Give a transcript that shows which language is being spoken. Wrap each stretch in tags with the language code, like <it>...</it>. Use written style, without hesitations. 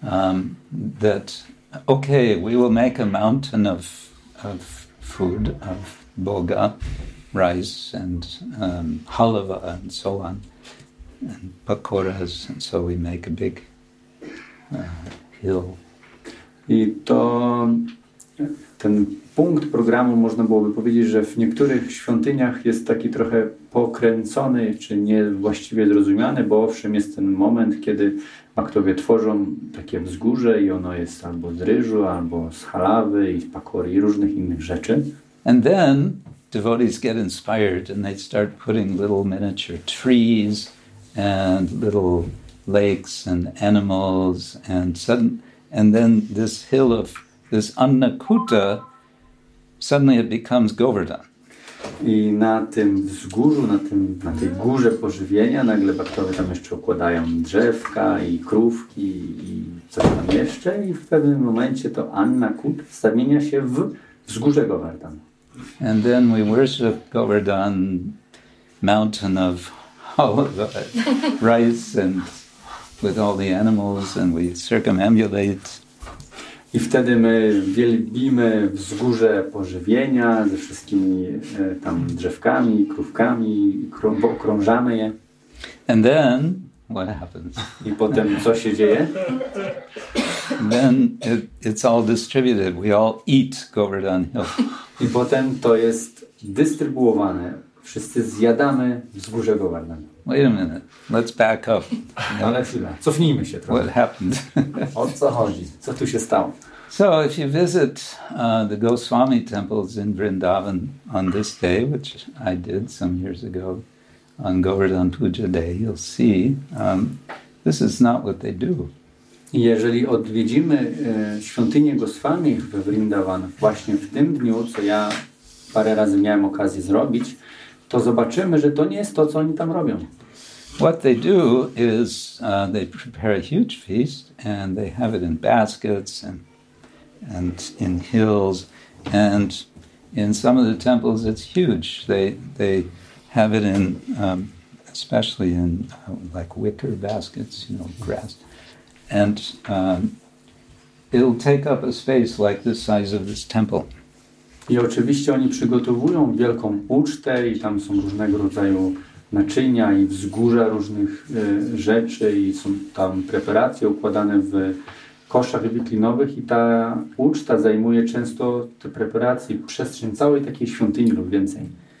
<en>That okay, we will make a mountain of food, of bhoga, rice and halava and so on, and pakoras, and so we make a big hill.</en> <pl>I to ten punkt programu można byłoby powiedzieć, że w niektórych świątyniach jest taki trochę pokręcony, czy niewłaściwie zrozumiany, bo owszem jest ten moment, kiedy maktowie tworzą takie wzgórze i ono jest albo z ryżu, albo z halawy i z pakory i różnych innych rzeczy.</pl> <en>And then devotees get inspired and they start putting little miniature trees and little lakes and animals and sudden, and then this hill of this Annakuta, suddenly it becomes Govardhan.</en> <pl>I na tym wzgórzu, na tej górze pożywienia nagle baktowie tam jeszcze układają drzewka i krówki i co tam jeszcze i w pewnym momencie to Annakuta zamienia się w wzgórze Govardhan.</pl> <en>And then we worship Govardhan, mountain of all of the rice and with all the animals and we circumambulate.</en> <pl>I wtedy my wielbimy wzgórze pożywienia ze wszystkimi tam drzewkami, krówkami, okrążamy je.</pl> <en>And then, what happens?</en> <pl>I potem co się dzieje?</pl> <en>Then it's all distributed. We all eat Govardhan Hill.</en> <pl>I potem to jest dystrybuowane. Wszyscy zjadamy wzgórze Govardhan.</pl> <en>Wait a minute. Let's back up.</en> <pl>Ale chwila. Cofnijmy się trochę.</pl> <en>What happened?</en> <pl>O co chodzi? Co tu się stało?</pl> <en>So if you visit the Goswami temples in Vrindavan on this day, which I did some years ago on Govardhan Puja Day, you'll see this is not what they do.</en> <pl>Jeżeli odwiedzimy świątynię Goswami w Vrindavan właśnie w tym dniu, co ja parę razy miałem okazję zrobić, to zobaczymy, że to nie jest to, co oni tam robią.</pl> <en>What they do is they prepare a huge feast and they have it in baskets and in hills, and in some of the temples it's huge. They have it in, especially in like wicker baskets, you know, grass. And it'll take up a space like the size of this temple.</en> <pl>I oczywiście oni przygotowują wielką ucztę i tam są różnego rodzaju naczynia i wzgórza różnych rzeczy i są tam preparacje układane w koszach wiklinowych i ta uczta zajmuje często te preparacje przestrzeń całej takiej świątyni lub więcej.</pl>